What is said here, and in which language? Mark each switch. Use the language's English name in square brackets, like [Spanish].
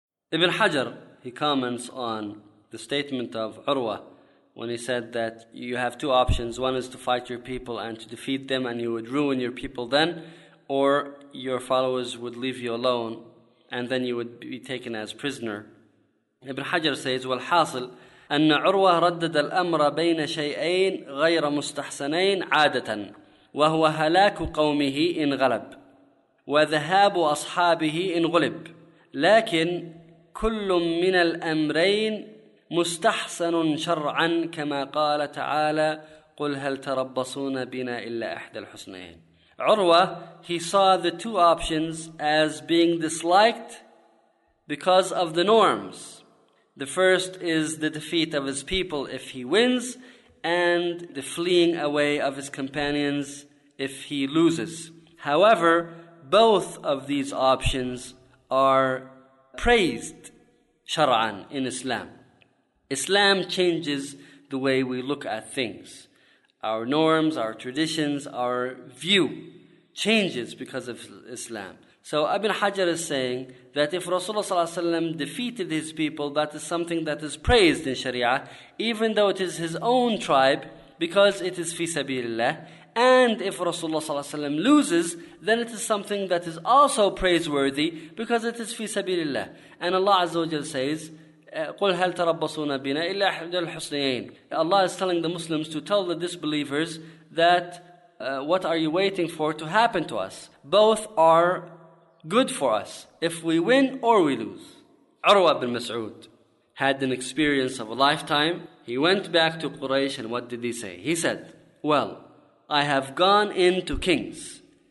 [English] Ibn Hajar, he comments on the statement of Urwa when he said that you have two options. One is to fight your people and to defeat them and you would ruin your people then, or your followers would leave you alone and then you would be taken as prisoner. Ibn Hajar says, [Arabic] والحاصل أن عروة ردد الأمر بين شيئين غير مستحسنين عادة وهو هلاك قومه إن غلب وذهاب أصحابه إن غلب لكن كل من الأمرين مستحسن شرعا كما قال تعالى قل هل تربصون بنا إلا إحدى الحسنين. [English] عروة, he saw the two options as being disliked because of the norms. The first is the defeat of his people if he wins, and the fleeing away of his companions if he loses. However, both of these options are praised shara'an in Islam. Islam changes the way we look at things. Our norms, our traditions, our view changes because of Islam. So Ibn Hajar is saying that if Rasulullah sallallahu alaihi wasallam defeated his people, that is something that is praised in Sharia, even though it is his own tribe, because it is fi sabilillah. And if Rasulullah sallallahu alaihi wasallam loses, then it is something that is also praiseworthy, because it is fi sabilillah. And Allah azza wa jalla says, [Arabic] قُلْ هَلْ تَرَبَّصُونَ بِنَا إِلَّا أَحْدَى الْحُسْنَيَيْنِ. [English] Allah is telling the Muslims to tell the disbelievers that what are you waiting for to happen to us? Both are good for us, if we win or we lose. Urwa ibn Mas'ud had an experience of a lifetime. He went back to Quraysh and what did he say? He said, well, I have gone in to kings.